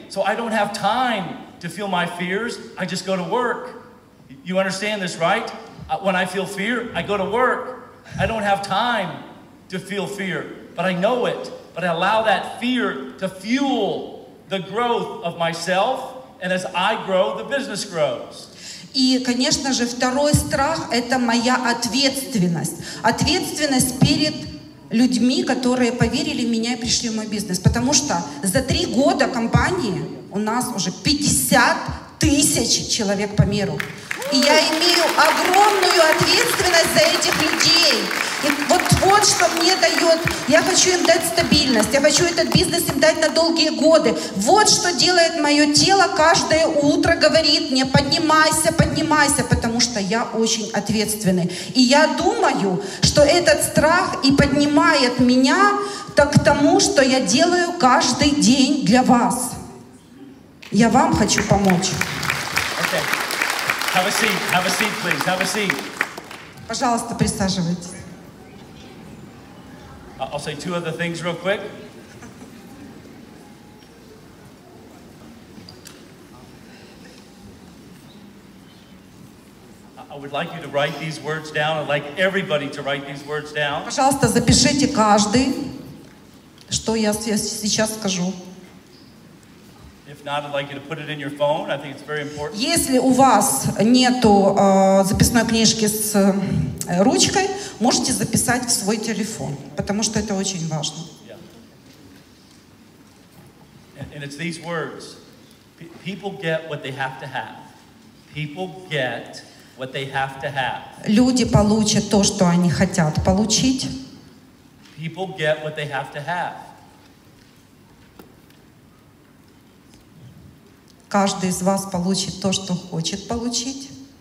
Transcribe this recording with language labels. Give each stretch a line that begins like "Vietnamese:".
English: So I don't have time to feel my fears, I just go to work. You understand this, right? When I feel fear, I go to work. I don't have time to feel fear, but I know it. But I allow that fear to fuel the growth of myself, and as I grow, the business grows.
Russian: И, конечно же, второй страх — это моя ответственность. Ответственность перед людьми, которые поверили в меня и пришли в мой бизнес. Потому что за 3 года компании у нас уже 50 тысяч человек по миру. И я имею огромную ответственность за этих людей. И вот что мне дает, я хочу им дать стабильность, я хочу этот бизнес им дать на долгие годы. Вот что делает мое тело каждое утро, говорит мне, поднимайся, поднимайся, потому что я очень ответственный. И я думаю, что этот страх и поднимает меня так к тому, что я делаю каждый день для вас. Я вам хочу помочь.
English: Okay. Have a seat, please. Have a seat.
Russian: Пожалуйста, присаживайтесь.
English: I'll say 2 other things real quick. I would like you to write these words down. I'd like everybody to write these words down.
Russian: Пожалуйста, запишите каждый, что я сейчас скажу.
English: If not, I'd like you to put it in your phone. I think it's very important.
Russian: Если у вас нету записной книжки с ручкой, можете записать в свой телефон, потому что это очень важно.
English: Yeah. And it's these words. People get what they have to have. People get what they have to have.
Russian: Люди получат то, что они хотят получить.
English: People get what they have to have.
Russian: Каждый из вас получит то, что хочет получить.